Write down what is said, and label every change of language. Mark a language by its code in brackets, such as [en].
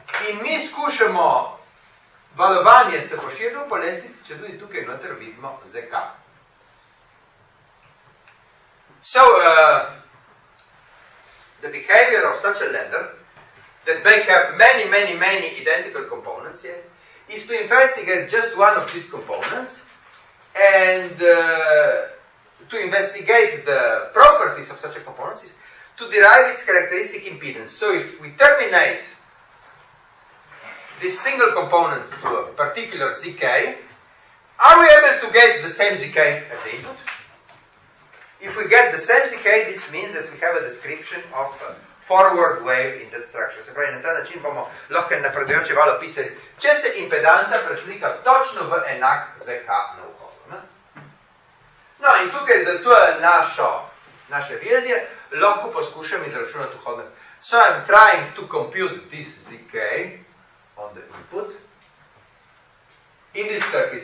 [sl] In mi skušamo valovanje se poširilo po lestvici, če tudi tukaj noter vidimo ZK. [en] So, the behavior of such a ladder that may have many, many, many identical components yet, is to investigate just one of these components and to investigate the properties of such a component is to derive its characteristic impedance. So if we terminate this single component to a particular ZK, are we able to get the same ZK at the input? If we get the same ZK, this means that we have a description of forward wave in that structure. [sl] Se pravi, na ta način bomo lahko napredujoče valo pisali, če se impedanca preslika točno v enak ZK na vhodu. Ne? No, in tukaj za to naše vezje lahko poskušam izračunati vhodne. [en] So I'm trying to compute this ZK on the input in this circuit.